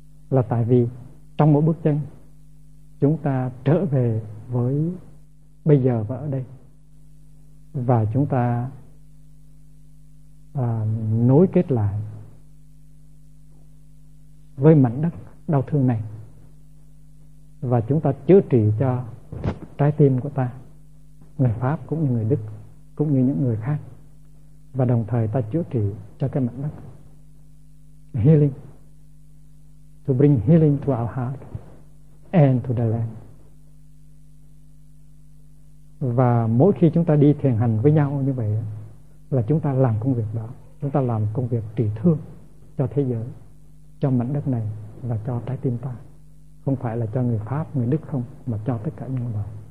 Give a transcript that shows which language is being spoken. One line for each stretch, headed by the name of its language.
Vietnamese: Là tại vì trong mỗi bước chân chúng ta trở về với bây giờ và ở đây, và chúng ta nối kết lại với mảnh đất đau thương này, và chúng ta chữa trị cho trái tim của ta, người Pháp cũng như người Đức, cũng như những người khác, và đồng thời ta chữa trị cho cái mặt đất.
English: Healing, to bring healing to our heart and to the land.
Vietnamese: Và mỗi khi chúng ta đi thiền hành với nhau như vậy là chúng ta làm công việc đó, chúng ta làm công việc trị thương cho thế giới, cho mảnh đất này và cho trái tim ta, không phải là cho người Pháp, người Đức không, mà cho tất cả những người.